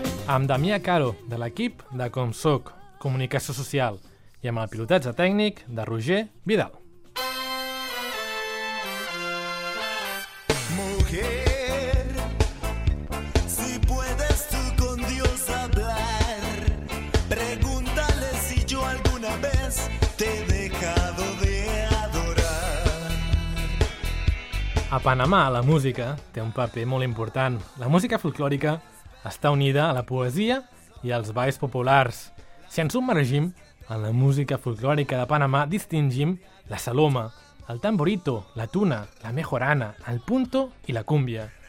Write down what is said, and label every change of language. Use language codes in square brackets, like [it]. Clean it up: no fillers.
[ca] Amb Damià Caro, de l'equip de Com Soc, Comunicació Social, i amb el pilotatge tècnic de Roger Vidal. [es] Mujer, si puedes tú con Dios hablar, pregúntale si yo alguna vez te he dejado de adorar. [ca] A Panamà, la música té un paper molt important. La música folklòrica està unida a la poesia i als balls populars. Si ens submergim en la música folklòrica de Panamà, distingim la saloma, el tamborito, la tuna, la mejorana, el punto i la cumbia.